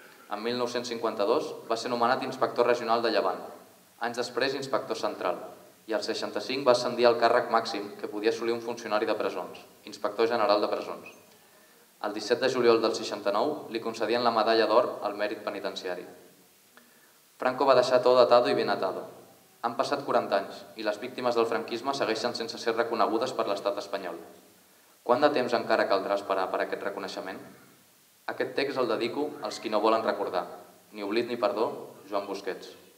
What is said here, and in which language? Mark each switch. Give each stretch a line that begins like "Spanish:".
Catalan: En 1952 va ser nomenat inspector regional de Llevant, anys després inspector central, i al 65 va ascendir al càrrec màxim que podia assolir un funcionari de presons, inspector general de presons. El 17 de juliol del 69 li concedien la medalla d'or al mèrit penitenciari.
Spanish: Franco
Catalan: va deixar
Spanish: todo atado y bien atado.
Catalan: Han passat 40 anys i les víctimes del franquisme segueixen sense ser reconegudes per l'estat espanyol. Quant de temps encara caldrà esperar per aquest reconeixement? Aquest text el dedico als qui no volen recordar. Ni oblit ni perdó, Joan Busquets.